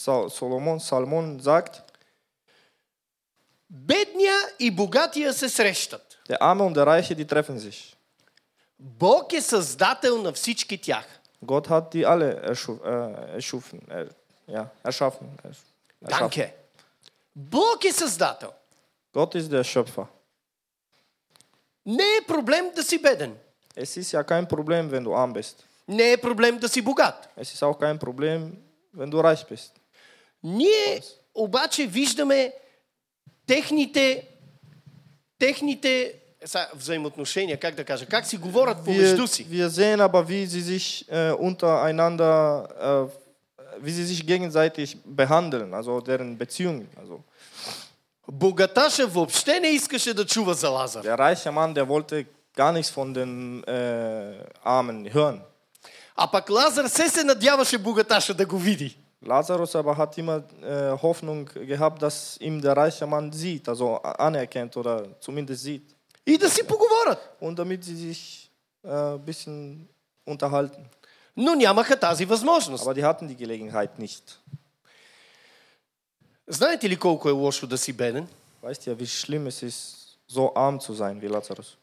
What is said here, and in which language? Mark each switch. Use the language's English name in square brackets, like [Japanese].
[German] Соломон sagt. [Bulgarian] Бедния и богатия се срещат. [German] Der arme und der reiche, die treffen sich. [Bulgarian] Бог е създател на всички тях. [German] Gott hat die alle erschaffen. Danke. [Bulgarian] Бог е създател. [German] Gott ist der Schöpfer. [Bulgarian] Не е проблем да си беден. [German] Es ist ja kein Problem, wenn du arm bist. [Bulgarian] Не е проблем да си богат. [German] Es ist auch kein Problem, wenn du reich bist. [Bulgarian] Ние обаче виждаме техните взаимоотношения, как да кажа, как си говорят помежду си. [German] Wir sehen aber, wie sie sich untereinander, wie sie sich gegenseitig behandeln, also deren Beziehungen. Also. [Bulgarian] Богаташа въобще не искаше да чува за Лазар. [German] Der reiche Mann, der wollte gar nichts von den Armen hören. [Bulgarian] А пък Лазар се надяваше богаташа да го види. [German] Lazarus aber hat immer Hoffnung gehabt, dass ihm der reiche Mann sieht, also anerkennt oder zumindest sieht. [Bulgarian] И да си поговорят. [German] Und damit sie sich bisschen unterhalten. [Bulgarian] Но нямаха тази възможност. [German] Aber die hatten die Gelegenheit nicht. [Bulgarian] Знаете ли колко е лошо да си беден? [German] Weißt ihr, wie schlimm es ist, so arm zu sein wie Lazarus.